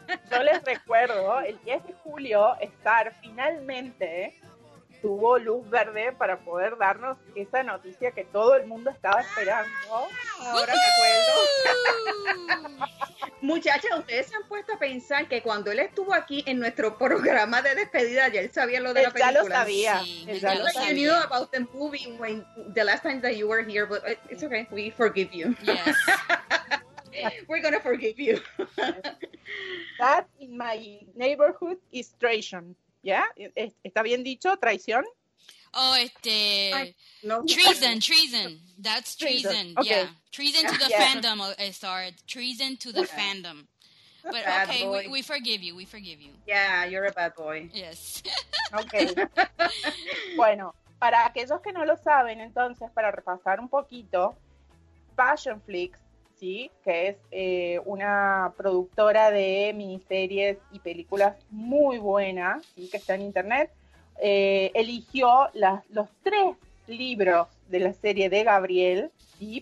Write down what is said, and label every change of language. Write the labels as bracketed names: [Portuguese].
[Spanish] Yo les recuerdo, el 10 de julio, Star finalmente tuvo luz verde para poder darnos esa noticia que todo el mundo estaba esperando. Ahora me acuerdo. Muchachas, ustedes se han puesto a pensar que cuando él estuvo aquí en nuestro programa de despedida, ya él sabía lo de la película. Ya lo sabía. Sí, ya lo sabía. [English] You knew about the movie when the last time that you were here, but it's okay, we forgive you. Yes. We're gonna forgive you. That in my neighborhood is treason. [Spanish] ¿Ya? ¿Está bien dicho? ¿Traición? [English] Treason, treason. That's treason. Okay. Yeah. Treason to the fandom, Star. Treason to the fandom. But bad okay, we forgive you, we forgive you. Yeah, you're a bad boy. Yes. Okay. [Spanish] Bueno, para aquellos que no lo saben, entonces, para repasar un poquito, Passion Flix, ¿sí? Que es una productora de miniseries y películas muy buena, ¿sí? Que está en internet, eligió los 3 libros de la serie de Gabriel, ¿sí?